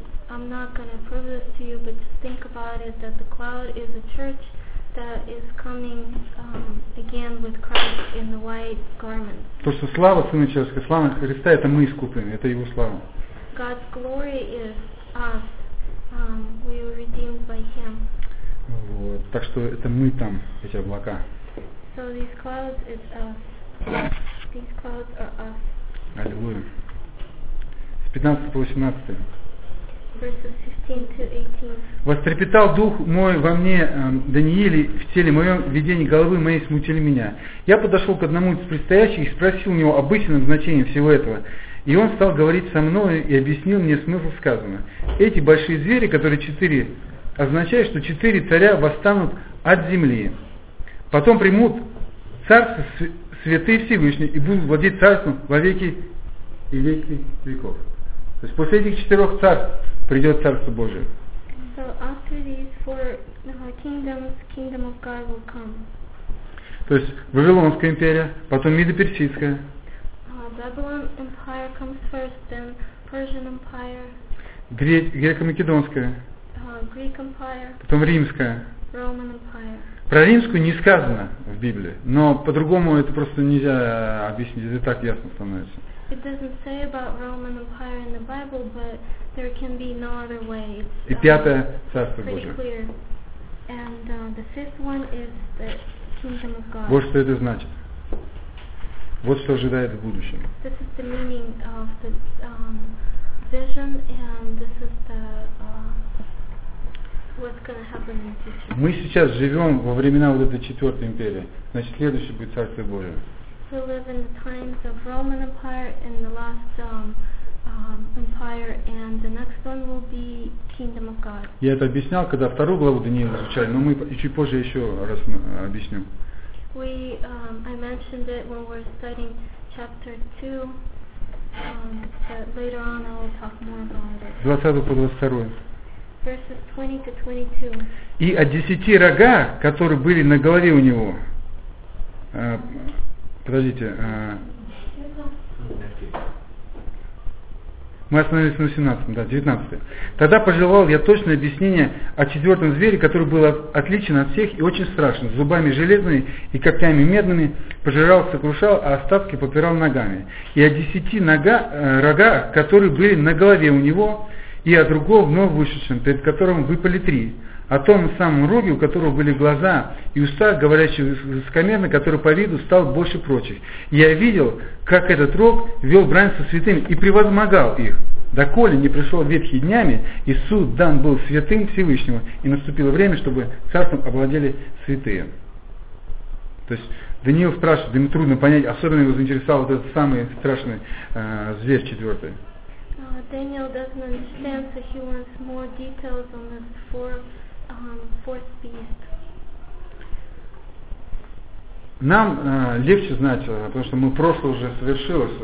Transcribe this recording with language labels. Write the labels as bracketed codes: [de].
[en] I'm not going to prove this to you, but just think about it, that the cloud is a church that is coming again with Christ in the white garments. [ru] То, что слава Сына Человеческого, слава Христа, это мы искуплены, это Его слава. [en] God's glory is us. We were redeemed by Him. [ru] Вот. Так что это мы там, эти облака. [en] So these clouds is us. These clouds are us. [ru] Аллилуйя. С 15 по 18. [en] Verses 15-18. [ru] Вострепетал дух мой во мне, Данииле, в теле моем, видение головы моей смутили меня. Я подошел к одному из предстоящих и спросил у него об истинном значении всего этого. И он стал говорить со мной и объяснил мне смысл сказанного. Эти большие звери, которые четыре, означают, что четыре царя восстанут от земли. Потом примут царство святые Всевышние и будут владеть царством во веки и веки веков. То есть после этих четырех царств придет Царство Божие. [en] So after these four kingdoms, kingdom of God will come. [ru] То есть Вавилонская империя, потом Медоперсидская. [en] Babylon Empire comes first, then Persian Empire. [ru] Греко-Македонская. [en] Greek Empire. [ru] Потом Римская. Про римскую не сказано в Библии, но по-другому это просто нельзя объяснить, это так ясно становится. [en] It doesn't say about Roman Empire in the Bible, but there can be no other way. [ru] И пятое царство Божие. [en] And the fifth one is the kingdom of God. [ru] Вот что это значит. Вот что ожидает в будущем. [en] This is the meaning of the vision, and this is the what's going to happen in the future. [ru] Мы сейчас живем во времена вот этой четвертой империи. Значит, следующее будет царство Божие. [en] We live in the times of Roman Empire and the last empire, and the next one will be Kingdom of God. [ru] Я это объяснял, когда вторую главу Даниила изучали, но мы чуть позже еще раз объясню. [en] I mentioned it when we were studying chapter 2, but later on I will talk more about it. [ru] 20 по 22. [en] Verses 20 to 22. [ru] И о 10 рогах, которые были на голове у него. Подождите. Мы остановились на 17, да, 19. Тогда пожелал я точное объяснение о четвертом звере, который был отличен от всех и очень страшен, с зубами железными и когтями медными, пожирал, сокрушал, а остатки попирал ногами. И о 10 рогах, которые были на голове у него, и о другом вновь вышедшем, перед которым выпали 3. О том самом роге, у которого были глаза и уста, говорящие высокомерно, который по виду стал больше прочих. Я видел, как этот рог вел брань со святыми и превозмогал их, доколе не пришел ветхий днями, и суд дан был святым Всевышнего, и наступило время, чтобы царством обладели святые. То есть Даниил спрашивает, ему трудно понять, особенно его заинтересовал вот этот самый страшный зверь четвертый. [en] Daniel doesn't understand, so he wants more details on this fourth beast. [ru] Нам легче знать, потому что мы прошлое уже совершилось.